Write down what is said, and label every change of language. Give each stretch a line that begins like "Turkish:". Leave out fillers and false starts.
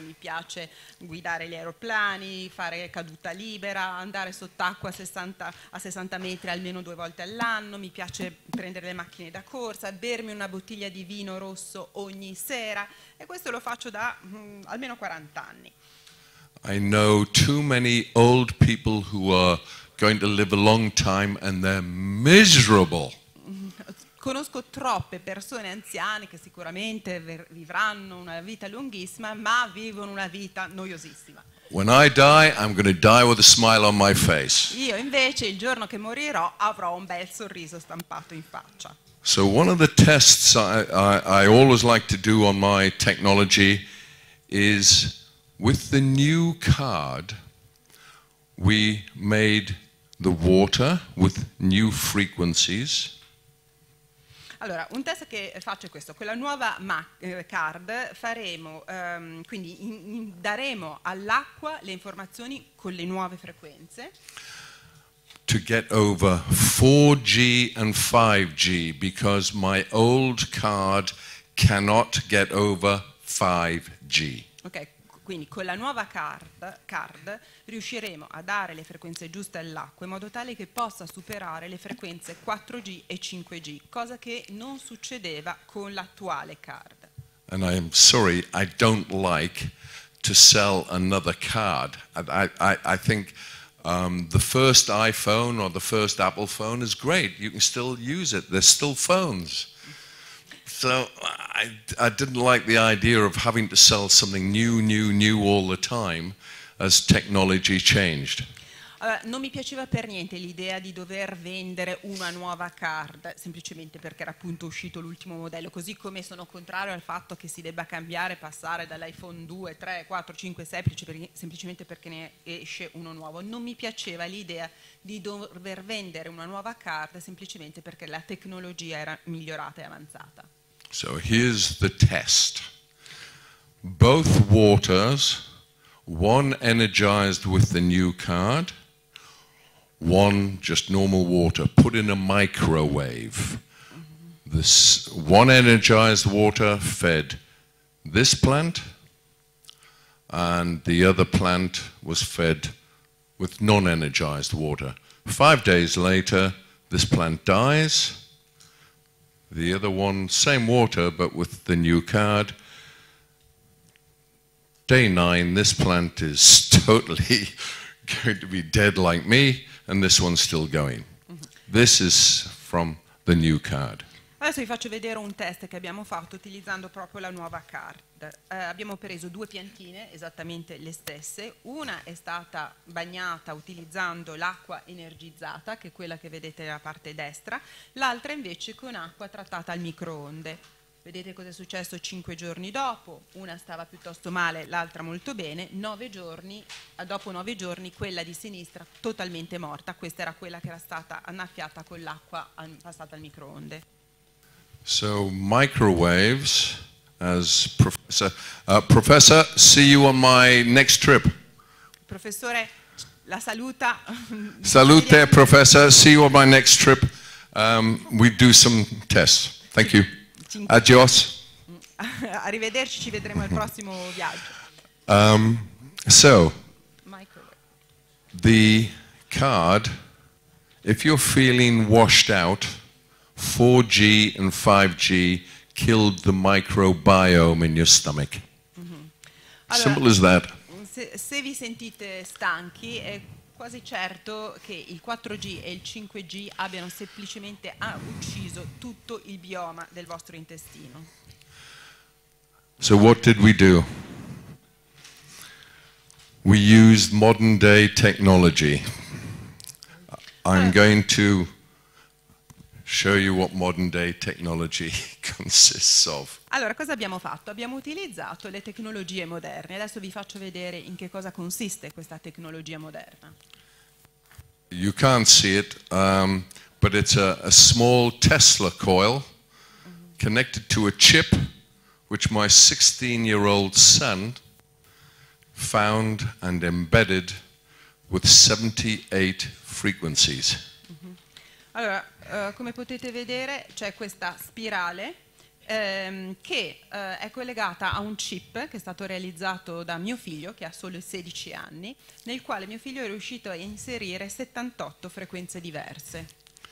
Italian: Mi piace guidare gli aeroplani, fare caduta libera, andare sott'acqua a 60 metri almeno 2 volte all'anno. Mi piace prendere le macchine da corsa, bermi una bottiglia di vino rosso ogni sera, e questo lo faccio da almeno 40 anni.
English: I know too many old people who are going to live a long time and they're miserable.
Italian: Conosco troppe persone anziane che sicuramente vivranno una vita lunghissima, ma vivono una vita noiosissima.
English: When I die, I'm going to die with a smile on my face.
Italian: Io invece, il giorno che morirò, avrò un bel sorriso stampato in faccia.
English: So one of the tests I always like to do on my technology is with the new card, we made the water with new frequencies.
Italian: Allora, un test che faccio è questo. Con la nuova card faremo, quindi daremo all'acqua le informazioni con le nuove frequenze.
English: To get over 4G and 5G, because my old card cannot get over 5G. Ok,
Italian: Quindi con la nuova card riusciremo a dare le frequenze giuste all'acqua in modo tale che possa superare le frequenze 4G e 5G, cosa che non succedeva con l'attuale card.
English: And I am sorry, I don't like to sell another card. I think the first iPhone or the first Apple phone is great. You can still use it. They're still phones. So I didn't like the idea of having to sell something new all the time as technology changed.
Italian: Non mi piaceva per niente l'idea di dover vendere una nuova card, semplicemente perché era appunto uscito l'ultimo modello, così come sono contrario al fatto che si debba cambiare, passare dall'iPhone 2, 3, 4, 5, 6, semplicemente perché ne esce uno nuovo. Non mi piaceva l'idea di dover vendere una nuova card semplicemente perché la tecnologia era migliorata e avanzata.
English: So here's the test. Both waters, one energized with the new card, one just normal water, put in a microwave. This one energized water fed this plant, and the other plant was fed with non-energized water. 5 days later, this plant dies. The other one, same water, but with the new card. Day 9, this plant is totally going to be dead like me, and this one's still going. This is from the new card.
Italian: Adesso vi faccio vedere un test che abbiamo fatto utilizzando proprio la nuova card. Abbiamo preso due piantine, esattamente le stesse. Una è stata bagnata utilizzando l'acqua energizzata, che è quella che vedete nella parte destra, l'altra invece con acqua trattata al microonde. Vedete cosa è successo 5 giorni dopo? Una stava piuttosto male, l'altra molto bene. Dopo nove giorni, quella di sinistra totalmente morta. Questa era quella che era stata annaffiata con l'acqua passata al microonde.
English: So microwaves, as professor, see you on my next trip.
Italian: Professore, la saluta.
English: Salute, professor. See you on my next trip. We do some tests. Thank you. Adios.
Italian: Arrivederci. Ci vedremo al prossimo viaggio.
English: So microwave. The card. If you're feeling washed out. 4G and 5G killed the microbiome in your stomach.
Italian: Allora,
English: simple as that.
Italian: Se vi sentite stanchi, è quasi certo che il 4G e il 5G abbiano semplicemente ucciso tutto il bioma del vostro intestino.
English: So what did we do? We used modern day technology. I'm going to show you what modern day technology consists of.
Italian: Allora, cosa abbiamo fatto? Abbiamo utilizzato le tecnologie moderne. Adesso vi faccio vedere in che cosa consiste questa tecnologia moderna.
English: You can't see it, but it's a small Tesla coil connected to a chip which my 16-year-old son found and embedded with 78 frequencies.
Italian: Allora, come potete vedere, c'è questa spirale che è collegata a un chip che è stato realizzato da mio figlio, che ha solo 16 anni, nel quale mio figlio è riuscito a inserire 78 frequenze diverse.